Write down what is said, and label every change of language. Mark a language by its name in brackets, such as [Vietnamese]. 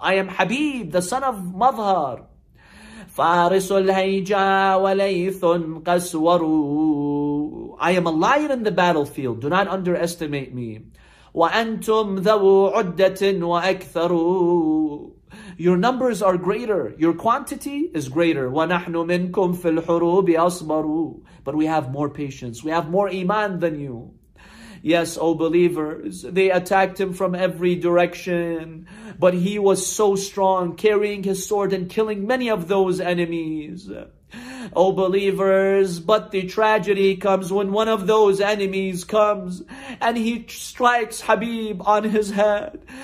[English] I am Habib, the son of Madhar. [Arabic] فارس الهيجا وليث قسور. [English] I am a lion in the battlefield. Do not underestimate me. [Arabic] وأنتم ذو عدة وأكثر. [English] Your numbers are greater. Your quantity is greater. [Arabic] ونحن منكم في الحروب أصبر. [English] But we have more patience. We have more iman than you. Yes, O believers, they attacked him from every direction. But he was so strong, carrying his sword and killing many of those enemies. O believers, but the tragedy comes when one of those enemies comes and he strikes Habib on his head.